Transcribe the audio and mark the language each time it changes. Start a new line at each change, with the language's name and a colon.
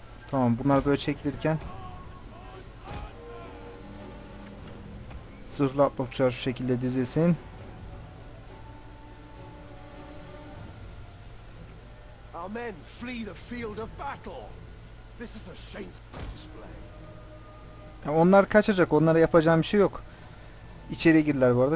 Turkish: Tamam, bunlar böyle çekilirken zırhlı atlı uçağı şu şekilde dizilsin.
English: Our men flee the field of battle. This is a shameful display.
Turkish: Onlar kaçacak. Onlara yapacağım bir şey yok. İçeriye girdiler bu arada.